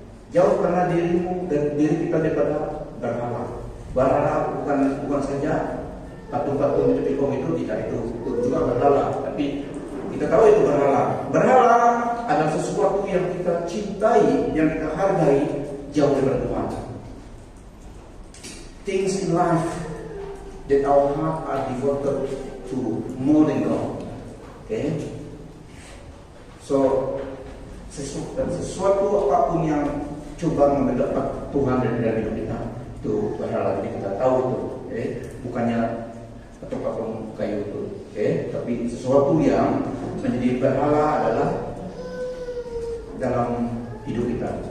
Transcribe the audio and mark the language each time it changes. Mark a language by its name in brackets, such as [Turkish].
[Malay] Jauhkanlah dirimu dan diri kita daripada berhala. Berhala bukan saja patung-patung di tepi kong itu, tidak, itu juga berhala. Tapi kita tahu itu berhala. Berhala adalah sesuatu yang kita cintai, yang kita hargai, jauh dari Tuhan. [English] Things in life that our heart are devoted to more than God. Okay? [Malay] So, sesuatu apapun yang coba mendapat Tuhan dari hidup kita, itu berhala. Jadi kita tahu itu, okay? Bukannya patung-patung kayu itu, okay? Tapi sesuatu yang menjadi berhala adalah dalam hidup kita.